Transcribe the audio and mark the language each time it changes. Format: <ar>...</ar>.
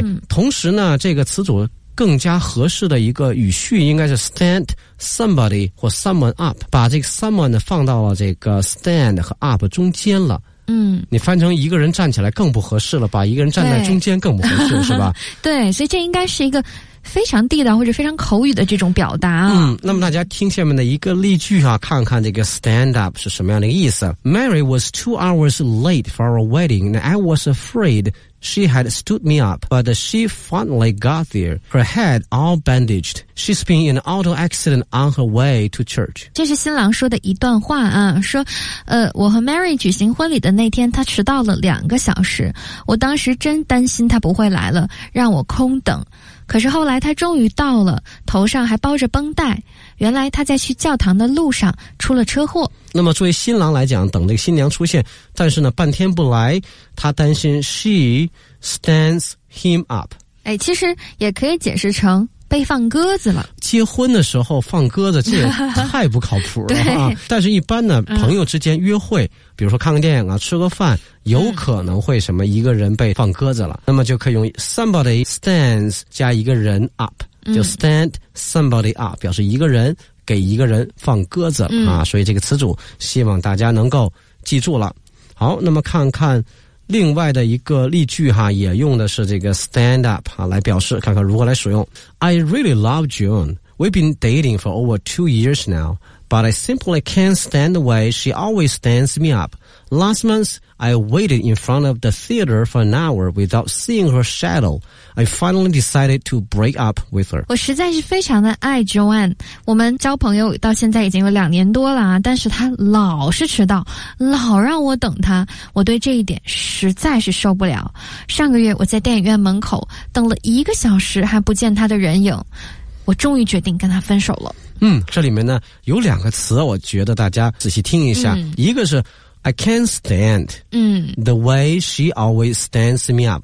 <zh>同时呢，这个词组更加合适的一个语序应该是 stand somebody 或 someone up， 把这个 someone 放到了这个 stand 和 up 中间了。你翻成一个人站起来更不合适了，把一个人站在中间更不合适是吧？对，所以这应该是一个非常地道或者非常口语的这种表达。那么大家听下面的一个例句啊，看看这个 stand up 是什么样的一个意思。</zh> <en>Mary was 2 hours late for our wedding, and I was afraid she had stood me up, but she finally got there, her head all bandaged. She's been in an auto accident on her way to church.</en> <zh>这是新郎说的一段话啊，说，我和 Mary 举行婚礼的那天，她迟到了2个小时，我当时真担心她不会来了，让我空等。可是后来他终于到了，头上还包着绷带，原来他在去教堂的路上出了车祸。那么作为新郎来讲，等这个新娘出现，但是呢半天不来，他担心</zh> <en>she stands him up。</en> <zh>其实也可以解释成被放鸽子了，结婚的时候放鸽子，这也太不靠谱了啊。但是一般呢朋友之间约会，比如说看个电影啊，吃个饭，有可能会什么一个人被放鸽子了，那么就可以用 somebody stands 加一个人 up， 就</zh> <en>stand somebody up，</en> <zh>表示一个人给一个人放鸽子了啊。所以这个词组希望大家能够记住了。好，那么看看另外的一个例句哈，也用的是这个 stand up 啊来表示，看看如何来使用。</zh> <en>I really love June. We've been dating for over 2 years now, but I simply can't stand the way she always stands me up. Last month, I waited in front of the theater for an hour without seeing her shadow. I finally decided to break up with her.</en> <zh>我实在是非常的爱 Joanne. 我们交朋友到现在已经有2年多了啊，但是她老是迟到，老让我等她。我对这一点实在是受不了。上个月我在电影院门口等了1个小时，还不见她的人影。我终于决定跟她分手了。这里面呢有两个词，我觉得大家仔细听一下，一个是</zh> <en>I can't stand the way she always stands me up.</en>